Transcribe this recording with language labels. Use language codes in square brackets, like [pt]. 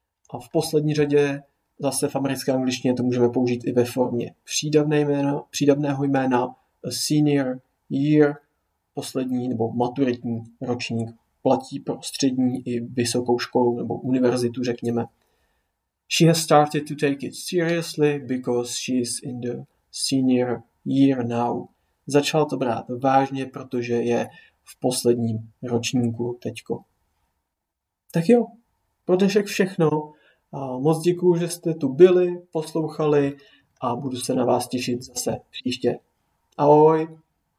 [cs] A v poslední řadě zase v americké angličtině to můžeme použít i ve formě přídavného jména [en] a senior year, [cs] poslední nebo maturitní ročník, platí pro střední i vysokou školu nebo univerzitu, řekněme. [en] She has started to take it seriously because she is in the senior year now. [cs] Začala to brát vážně, protože je v posledním ročníku teďko. Tak jo, pro dnešek všechno. Moc děkuju, že jste tu byli, poslouchali a budu se na vás těšit zase příště. Ahoj!